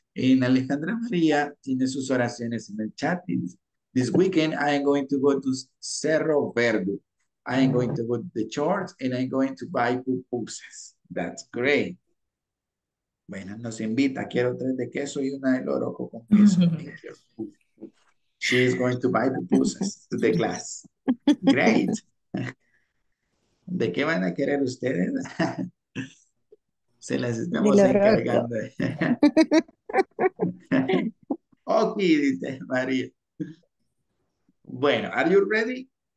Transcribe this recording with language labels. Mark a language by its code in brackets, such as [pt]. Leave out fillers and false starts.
[es] En Alejandra María tiene sus oraciones en el chat. [en] This weekend, I am going to go to Cerro Verde. I am going to go to the church and I'm going to buy pupusas. That's great. [es] Bueno, nos invita. Quiero 3 de queso y 1 de loroco con queso. [en] She is going to buy pupusas to the class. [es] Great. ¿De qué van a querer ustedes? Se las estamos encargando. [en] Ok, [es] dice María. Bueno, [en] are you ready?